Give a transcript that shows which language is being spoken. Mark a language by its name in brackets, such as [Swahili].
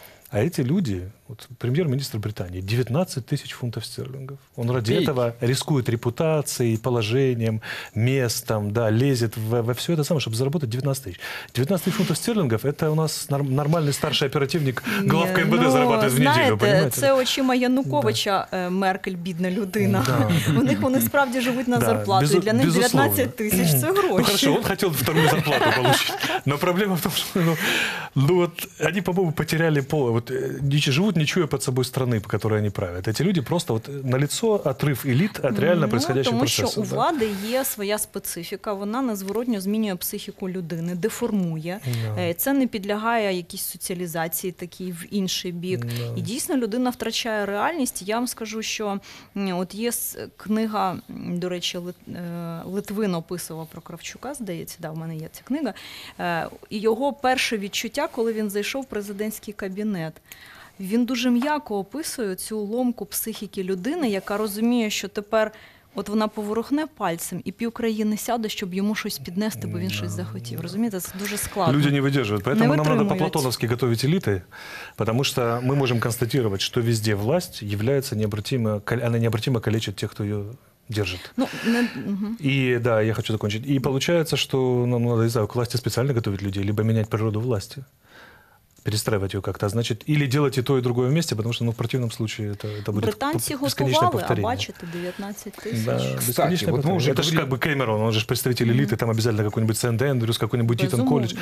[Russian] А эти люди, вот премьер-министр Британии, 19 тысяч фунтов стерлингов. Он ради этого рискует репутацией, положением, местом, да, лезет во все это самое, чтобы заработать 19 тысяч. 19 тысяч фунтов стерлингов – это у нас нормальный старший оперативник главка МВД зарабатывает в неделю, знаете, понимаете? [Ukrainian] Це очима Януковича, Меркель, бідна людина. Вони справді живуть на зарплату, і для них 19 тисяч – це гроші. [Russian] Ну, хорошо, он хотел вторую зарплату получить. Но проблема в том, что они, по-моему, потеряли пол. Вот, живут, не чуя под собой страны, по которой они правят. Эти люди просто вот налицо отрыв элит от реально происходящего процесса. [Ukrainian] Тому що у влади є своя специфіка, вона незворотньо змінює психіку людини, деформує. Yeah. Це не підлягає якійсь соціалізації такій в інший бік. Yeah. І дійсно людина втрачає реальність. Я вам скажу, що от є книга, до речі, Литвин описував про Кравчука, здається, да, в мене є ця книга. Його перше відчуття, коли він зайшов в президентський кабінет. Він дуже м'яко описує цю ломку психіки людини, яка розуміє, що тепер от вона поворухне пальцем і пів країни сяде, щоб йому щось піднести, бо він щось захотів. Розумієте, це дуже складно. Люди не витримують. Поэтому нам треба по-платоновськи готувати еліти, тому що ми можемо констатувати, що везде власть є необратимо, вона необратимо калечить тих, хто її держит. [Russian] И да, я хочу закончить. И получается, что нам надо, не знаю, к власти специально готовить людей, либо менять природу власти, перестраивать ее как-то. Значит, или делать и то, и другое вместе, потому что, ну, в противном случае это будет британцы бесконечное готовали, повторение. [Ukrainian] А бачите, 19 [Russian] тысяч. Да, кстати, вот повторение. Мы уже это же как бы Кэмерон, он же представитель элиты, там обязательно какой-нибудь Сент Эндрюс, какой-нибудь Итон Колледж,